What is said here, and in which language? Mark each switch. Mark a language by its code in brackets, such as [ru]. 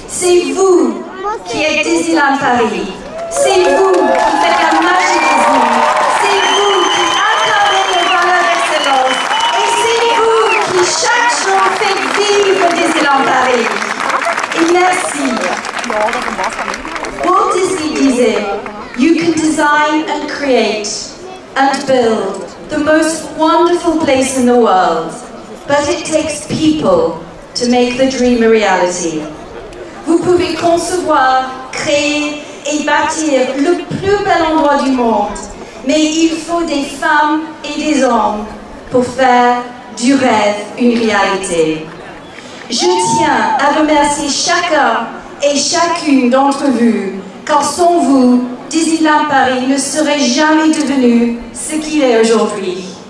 [fr] C'est vous qui êtes Disneyland Paris. C'est vous qui faites la magie Disney. C'est vous qui incarnez les valeurs d'excellence. Et c'est vous qui chaque jour faites vivre Disneyland Paris. Et merci. [en] Walt Disney [fr] disait, [en] you can design and create and build the most wonderful place in the world. But it takes people to make the dream a reality. [fr] Vous pouvez concevoir, créer et bâtir le plus bel endroit du monde, mais il faut des femmes et des hommes pour faire du rêve une réalité. Je tiens à remercier chacun et chacune d'entre vous, car sans vous, Disneyland Paris ne serait jamais devenu ce qu'il est aujourd'hui.